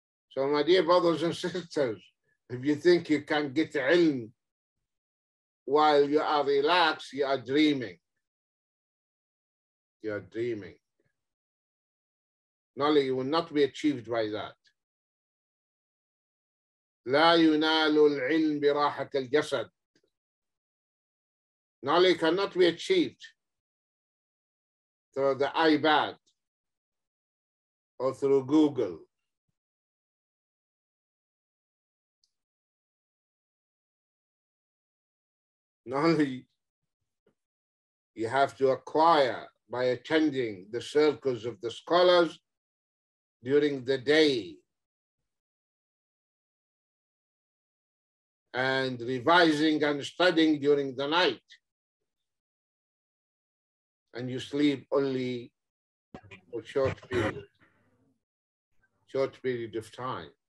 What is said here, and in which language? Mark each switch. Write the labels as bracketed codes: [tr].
[en] So my dear brothers and sisters, if you think you can get ilm while you are relaxed, you are dreaming. You are dreaming. Knowledge will not be achieved by that. [ar] لا ينال العلم براحة الجسد. [en] Knowledge cannot be achieved through the iPad or through Google. Knowledge you have to acquire by attending the circles of the scholars during the day and revising and studying during the night, and you sleep only a short period of time.